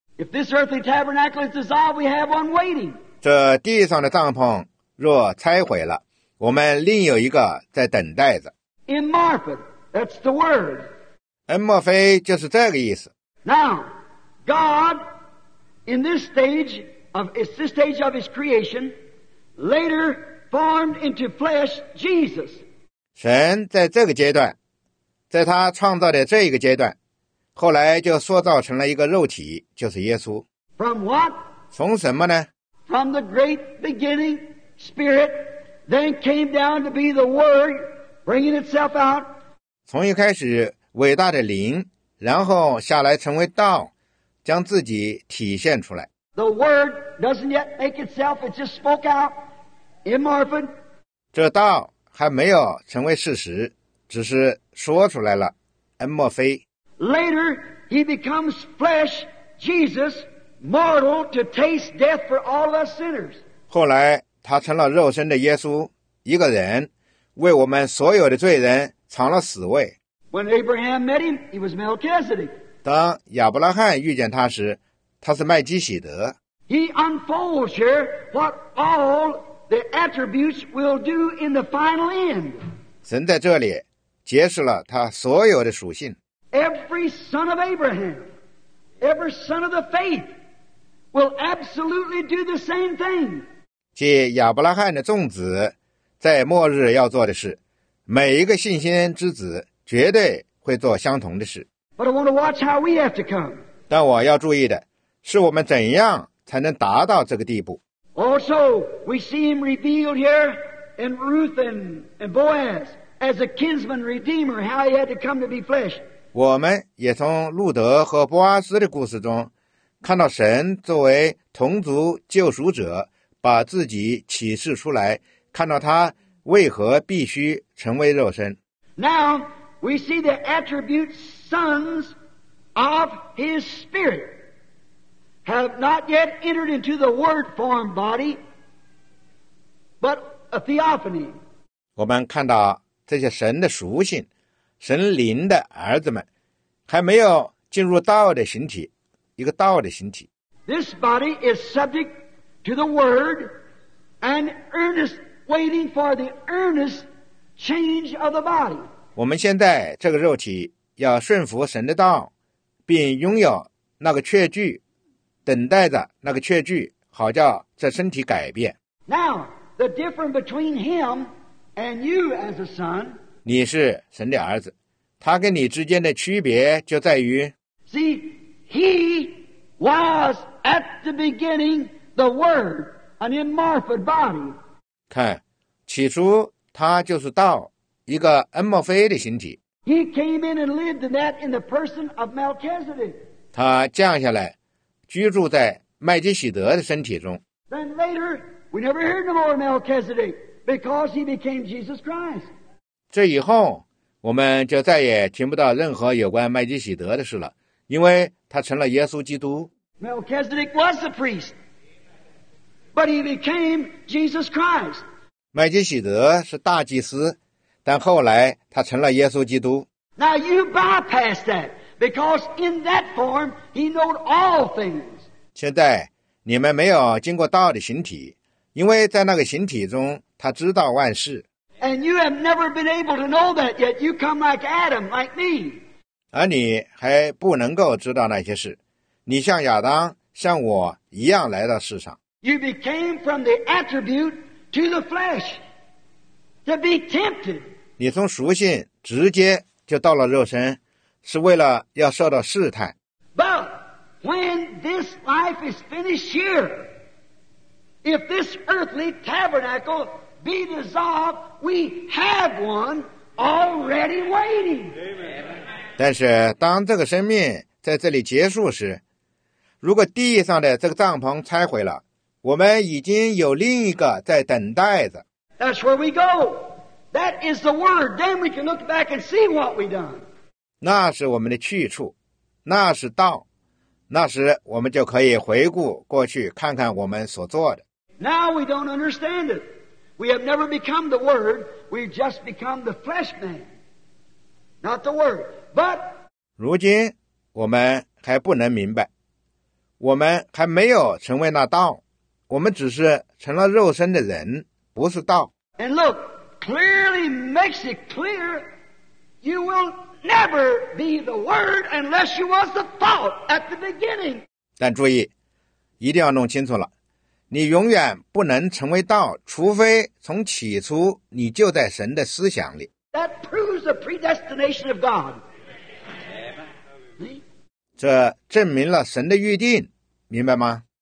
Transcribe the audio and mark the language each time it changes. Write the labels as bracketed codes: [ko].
[en] If this earthly tabernacle is dissolved, we have one waiting. [zh] 这地上的帐篷若拆毁了，我们另有一个在等待着。 [en] Immorphed, that's the word. [zh] 恩莫非就是这个意思。 [en] Now, God, in this stage. Of it's this stage of his creation, later formed into flesh, Jesus. [zh] 神在这个阶段，在他创造的这一个阶段，后来就塑造成了一个肉体，就是耶稣。 [en] From what? [zh] 从什么呢？ [en] From the great beginning, Spirit, then came down to be the Word, bringing itself out. [zh] 从一开始，伟大的灵，然后下来成为道，将自己体现出来。 [en] The word doesn't yet make itself; it just spoke out, immorphed. [zh] 这道还没有成为事实，只是说出来了，恩莫非。 [en] Later, he becomes flesh, Jesus, mortal to taste death for all of us sinners. [zh] 后来，他成了肉身的耶稣，一个人，为我们所有的罪人尝了死味。 [en] When Abraham met him, he was Melchizedek. [zh] 当亚伯拉罕遇见他时。他是麦基洗德。 [en] He unfolds here what all the attributes will do in the final end. [zh] 神在这里揭示了他所有的属性。 [en] Every son of Abraham, every son of the faith will absolutely do the same thing. [zh] 即亚伯拉罕的众子在末日要做的事，每一个信心之子绝对会做相同的事。 [en] But I want to watch how we have to come. [zh] 但我要注意的是我们怎样才能达到这个地步。 [en] Also, we see him revealed here in Ruth and Boaz as a kinsman redeemer, how he had to come to be flesh. [zh] 我们也从路德和波阿斯的故事中看到神作为同族救赎者把自己启示出来，看到他为何必须成为肉身。 [en] Now we see the attribute sons of his spirit have not yet entered into the word form body but a theophany。 [zh] 我们看到这些神的属性，神灵的儿子们还没有进入道的形体，一个道的形体。 [en] This body is subject to the word and earnest waiting for the earnest change of the body。 [zh] 我们现在这个肉体要顺服神的道，并拥有那个确据，等待着那个确据，好叫这身体改变。 [en] Now the difference between him and you as a son， [zh] 你是神的儿子，他跟你之间的区别就在于 [en] See, he was at the beginning the word, an immorphed body. [zh] 看，起初他就是道，一个恩莫非的形体。 [en] He came in and lived in that in the person of Melchizedek. [zh] 他降下来，居住在麦基洗德的身体中。 [en] Then later, we never heard no more of Melchizedek because he became Jesus Christ. [zh] 这以后我们就再也听不到任何有关麦基洗德的事了，因为他成了耶稣基督。 [en] Melchizedek was a priest but he became Jesus Christ。 [zh] 麦基洗德是大祭司，但后来他成了耶稣基督。 [en] Now you bypass that because in that form he knew all things。 [zh] 现在你们没有经过道的形体，因为在那个形体中他知道万事。 [en] And you have never been able to know that yet. You come like Adam, like me. [zh] 而你还不能够知道那些事，你像亚当，像我一样来到世上。 [en] You became from the attribute to the flesh to be tempted. [zh] 你从属性直接就到了肉身，是为了要受到试探。 [en] But when this life is finished here, if this earthly tabernacle be dissolved, we have one already waiting. [zh] 但是当这个生命在这里结束时，如果地上的这个帐篷拆毁了，我们已经有另一个在等待着。 [en] That's where we go. That is the word. Then we can look back and see what we've done. [zh] 那是我们的去处，那是道，那时我们就可以回顾过去，看看我们所做的。 [en] Now we don't understand it. We have never become the Word, we've just become the flesh man, not the Word. But, [zh] 如今我们还不能明白，我们还没有成为那道，我们只是成了肉身的人，不是道。 [en] And look, clearly makes it clear, you will never be the Word unless you was the thought at the beginning. [zh] 但注意，一定要弄清楚了。你永远不能成为道，除非从起初你就在神的思想里。 [en] That proves the predestination of God. [zh] 这证明了神的预定，明白吗？